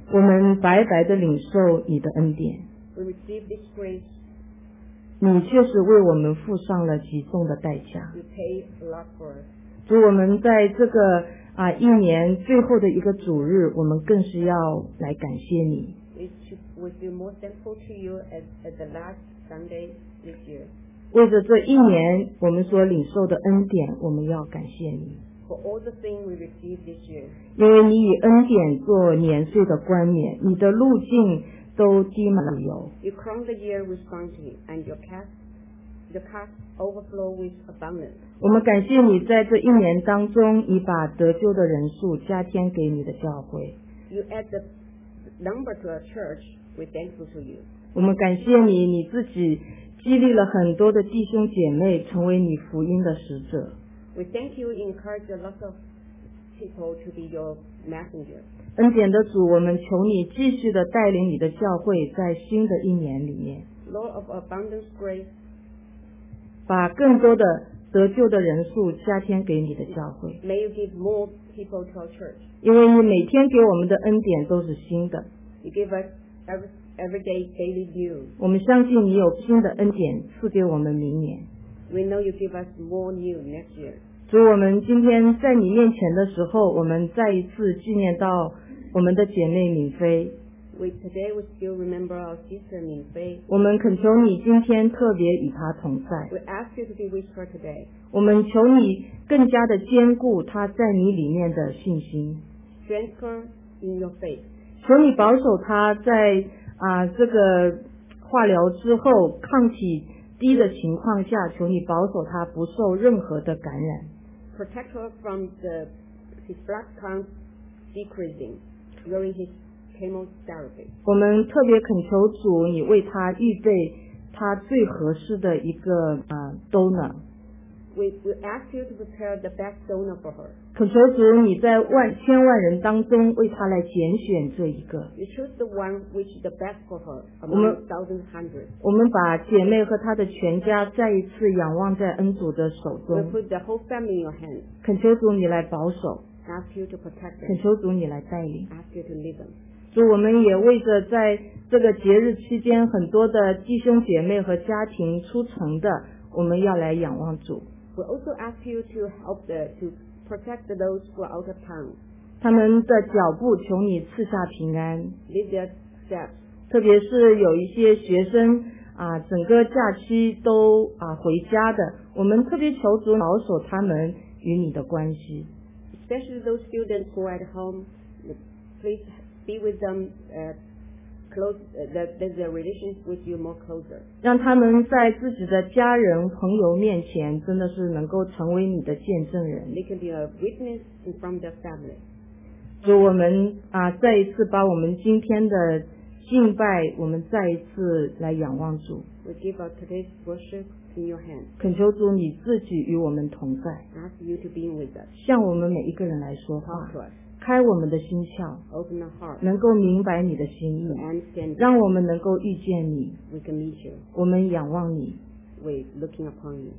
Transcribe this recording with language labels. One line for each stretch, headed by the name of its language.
Chinese: 我们白白的领受你的恩典。
English: We receive this grace.
Chinese: 你确实为我们付上了极重的代价。
English: You pay a lot for us.
Chinese: 主，我们在这个一年最后的一个主日，我们更是要来感谢你。
English: We feel more thankful to you at the last Sunday this year.
Chinese: 为着这一年我们所领受的恩典，我们要感谢你。
English: For all the things we received this year.
Chinese: 因为你以恩典做年岁的冠冕，你的路径都滴满了油。
English: You crown the year with bounty, and your cup overflow with abundance.
Chinese: 我们感谢你在这一年当中，你把得救的人数加添给你的教会。
English: You add the number to our church. We thankful to you.
Chinese: 我们感谢你，你自己激励了很多的弟兄姐妹成为你福音的使者。
English: We thank you, encourage a lot of people to be your messenger.
Chinese: 恩典的主，我们求你继续的带领你的教会在新的一年里面。
English: Lord of abundant grace.
Chinese: 把更多的得救的人数加添给你的教会。
English: May you give more people to our church.
Chinese: 因为你每天给我们的恩典都是新的。
English: You give us every day daily new.
Chinese: 我们相信你有新的恩典赐给我们明年。
English: We know you give us more new next year.
Chinese: 主，我们今天在你面前的时候，我们再一次纪念到我们的姐妹敏菲。
English: Today we still remember our sister 敏菲。
Chinese: 我们恳求你今天特别与她同在。
English: We ask you to be with her today.
Chinese: 我们求你更加的坚固她在你里面的信心。
English: Strengthen in your faith.
Chinese: 求你保守她在这个化疗之后抗体低的情况下，求你保守他不受任何的感染。
English: Protect her from his blood count decreasing during his chemotherapy.
Chinese: 我们特别恳求主，你为他预备他最合适的一个donor.
English: We ask you to prepare the best donor for her.
Chinese: 恳求主，你在千万人当中为他来拣选这一个。
English: You choose the one which is the best for her among thousand hundreds.
Chinese: 我们把姐妹和她的全家再一次仰望在恩主的手中。
English: We put the whole family in your hands.
Chinese: 恳求主，你来保守。
English: Ask you to protect them.
Chinese: 恳求主，你来带领。
English: Ask you to lead them.
Chinese: 主，我们也为着在这个节日期间很多的弟兄姐妹和家庭出城的，我们要来仰望主。
English: We also ask you to help to protect those who are out of town.
Chinese: 他们的脚步求你赐下平安。
English: Lead their steps.
Chinese: 特别是有一些学生整个假期都回家的，我们特别求主保守他们与你的关系。
English: Especially those students who are at home, please be with them that their relationship with you more closer.
Chinese: 让他们在自己的家人朋友面前真的是能够成为你的见证人。
English: They can be a witness from their family.
Chinese: 主，我们再一次把我们今天的敬拜，我们再一次来仰望主。
English: We give our today's worship in your hands.
Chinese: 恳求主你自己与我们同在。
English: Ask you to be with us.
Chinese: 向我们每一个人来说话。
English: Talk to us.
Chinese: 开我们的心窍，
English: Open the heart,
Chinese: 能够明白你的心意，
English: understand,
Chinese: 让我们能够遇见你，
English: we can meet you,
Chinese: 我们仰望你，
English: we looking upon you,